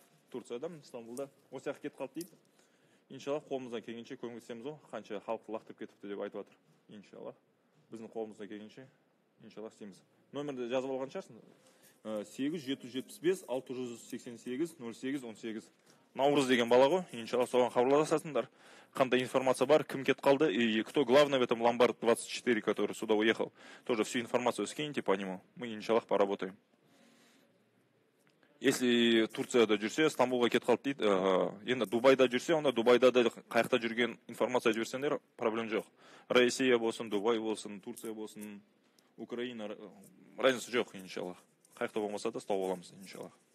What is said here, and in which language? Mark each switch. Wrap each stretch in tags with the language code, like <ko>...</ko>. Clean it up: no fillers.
<kk>Турциядан, Стамбулда осы жаққа кетіп қалды дейді. Иншаллах қолымыздан келгенше көмектесеміз ғой. Қанша халық лақтырып кетіпті деп айтып отыр. Иншаллах біздің қолымыздан келгенше иншаллах істейміз. Номерді жазып алған шығарсың. 8-775-688-08-18. Наурыз деген бала ғой, иншаллах соған хабарласасыңдар. Қандай информация бар, кім кетіп қалды</kk> <ru>и кто главный в этом ломбард 24, который сюда уехал. Тоже всю информацию скиньте по нему, мы иншаллах поработаем.</ru> <kk>Если Турцияда жүрсе, Стамбулға кетіп қалды дейді, енді Дубайда жүрсе, онда Дубайда да қайықта жүрген информация жіберсеңдер, проблем жоқ. Россия болсын, Дубай болсын, Турция болсын, Украина, разница жоқ, иншаллах. Қайықта болмаса да ұстап аламыз, иншаллах.</kk>